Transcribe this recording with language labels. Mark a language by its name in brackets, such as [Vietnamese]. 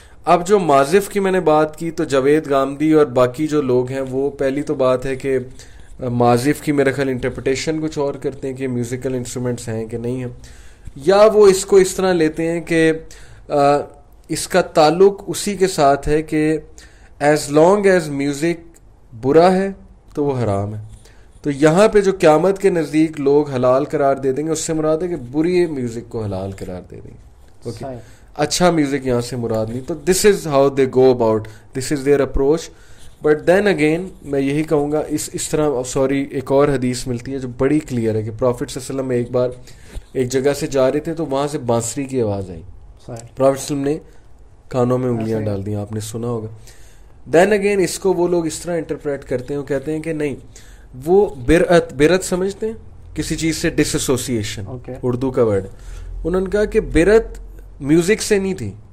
[Urdu] اب جو معزف کی میں نے بات کی تو جاوید گامدی اور باقی جو لوگ ہیں وہ پہلی تو بات ہے کہ معزف کی میرے خیال انٹرپریٹیشن کچھ اور کرتے ہیں کہ میوزیکل انسٹرومنٹس ہیں کہ نہیں ہیں, یا وہ اس کو اس طرح لیتے ہیں کہ اس کا تعلق اسی کے ساتھ ہے کہ [English] as long as [Urdu] میوزک برا ہے تو وہ حرام ہے, تو یہاں پہ جو قیامت کے نزدیک لوگ حلال قرار دے دیں گے اس سے مراد ہے کہ بری میوزک کو حلال قرار دے دیں گے. [English] okay [Urdu] اچھا میوزک یہاں سے مراد نہیں, تو [English] This is how they go about, this is their approach. But then again [Urdu] میں یہی کہوں گا اس طرح سوری ایک اور حدیث ملتی ہے جو بڑی کلیئر ہے کہ پروفٹ صلی اللہ علیہ وسلم ایک بار ایک جگہ سے جا رہے تھے تو وہاں سے بانسری کی آواز آئی, پروفٹ صلی اللہ علیہ وسلم نے کانوں میں انگلیاں ڈال دیں, آپ نے سنا ہوگا. [English] then again [Urdu] اس کو وہ لوگ اس طرح انٹرپریٹ کرتے ہیں, وہ کہتے ہیں کہ نہیں وہ برعت, برعت سمجھتے ہیں کسی چیز سے ڈس ایسوسیشن, اردو کا ورڈ, انہوں نے کہا کہ برعت میوزک سے نہیں تھی,